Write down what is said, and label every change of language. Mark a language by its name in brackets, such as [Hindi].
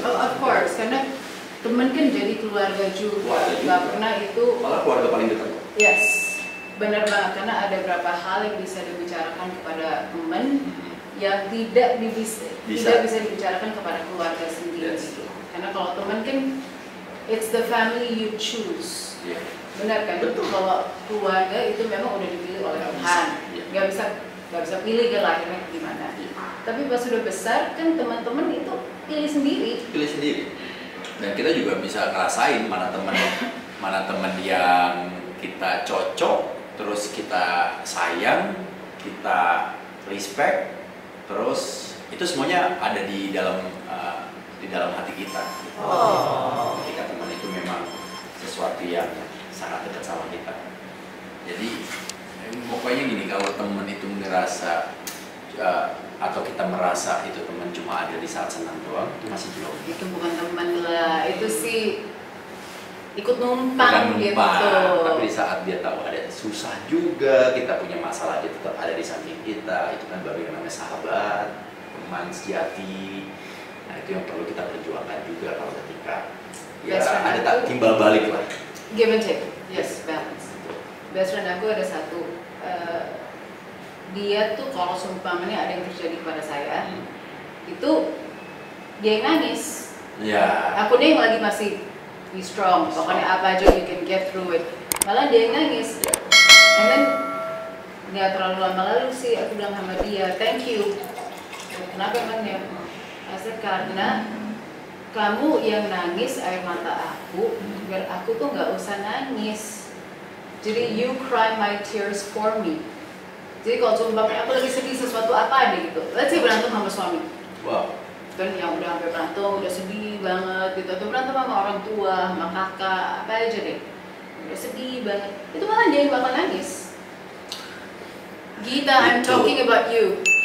[English] Oh, of course, [Indonesian] karena teman kan jadi keluarga juga. Keluarga juga. Gak pernah itu. Malah keluarga paling dekat. [English] Yes. [Indonesian] Benar banget, karena ada beberapa hal yang bisa dibicarakan kepada teman yang tidak bisa dibicarakan kepada keluarga sendiri. [English] Yes. [Indonesian] Karena kalau teman kan [English] it's the family you choose. Yeah. [Indonesian] Benar kan? Betul. Kalau keluarga itu memang udah dipilih oleh Tuhan. Gak bisa pilih ke lahirnya gimana. [English] Yeah. [Indonesian] Tapi pas sudah besar kan teman-teman itu pilih sendiri. Pilih sendiri. Dan kita juga bisa ngerasain mana teman mana teman yang kita cocok, terus kita sayang, kita respect, terus itu semuanya ada di dalam hati kita. Oh. Ketika teman itu memang sesuatu yang sangat dekat sama kita. Jadi pokoknya gini, kalau teman itu ngerasa atau kita merasa itu teman cuma ada di saat senang doang, itu masih belum. Itu bukan teman lah, itu sih ikut numpang gitu. Tapi di saat dia tahu ada susah juga, kita punya masalah, dia tetap ada di samping kita. Itu kan baru yang namanya sahabat, teman sejati. Nah itu yang perlu kita perjuangkan juga kalau ketika ya ada tak timbal balik lah. [English] Give and take, yes, balance. [Indonesian] Best friend aku ada satu. Dia tuh kalau sumpamanya ada yang terjadi pada saya, itu dia yang nangis. Iya. Aku dia yang lagi masih [English] be strong, [Indonesian] pokoknya apa aja [English] you can get through it. [Indonesian] Malah dia yang nangis. [English] And then [Indonesian] gak terlalu lama lalu sih aku bilang sama dia, [English] thank you. [Indonesian] Kenapa emang ya? Asal karena kamu yang nangis air mata aku, biar aku tuh gak usah nangis. Jadi [English] you cry my tears for me. [Indonesian] Jadi kalau sumpahnya aku lagi sedih sesuatu apa deh gitu. [English] Let's say [Indonesian] berantem sama suami. [English] Wow. [Indonesian] Kan yang udah hampir berantem, udah sedih banget gitu. Atau berantem sama orang tua, sama kakak, apa aja deh. Udah sedih banget. Itu malah dia yang bakal nangis. [English] Gita, I'm talking about you.